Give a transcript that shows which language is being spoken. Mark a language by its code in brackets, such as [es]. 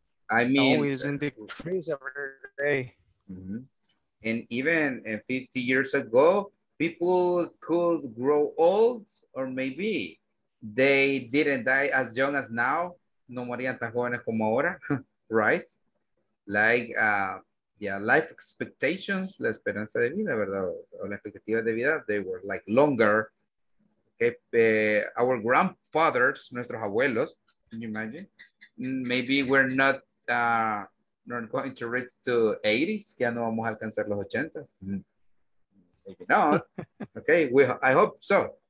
[en] I mean, always in decrease every day. Mm-hmm. And even 50 years ago, people could grow old, or maybe they didn't die as young as now. [es] No morían tan jóvenes como ahora, right? [en] Like, life expectations, [es] la esperanza de vida, ¿verdad? O la expectativa de vida, [en] they were like longer. Our grandfathers, [es] nuestros abuelos, [en] can you imagine? Maybe we're not going to reach to 80s, [es] ya no vamos a alcanzar los 80. [en] Maybe not. Okay, I hope so.